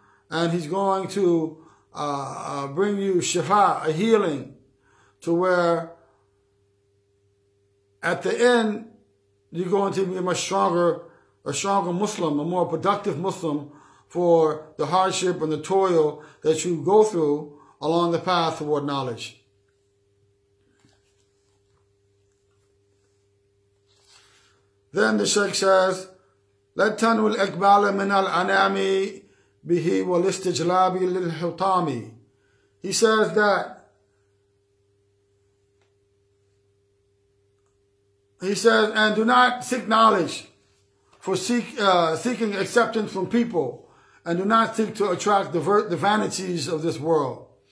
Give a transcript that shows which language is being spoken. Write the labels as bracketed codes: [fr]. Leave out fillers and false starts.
[en] And He's going to bring you shifa, a healing, to where at the end, you're going to be much stronger, a stronger Muslim, a more productive Muslim for the hardship and the toil that you go through along the path toward knowledge. Then the Shaykh says, [ar] لَتَنُوا الْإِقْبَالَ مِنَ الْأَنَامِ بِهِ وَالْإِسْتِجْلَابِ لِلْحُطَامِ. [en] He says that He says, and do not seek knowledge for seeking acceptance from people, and do not seek to attract the vanities of this world.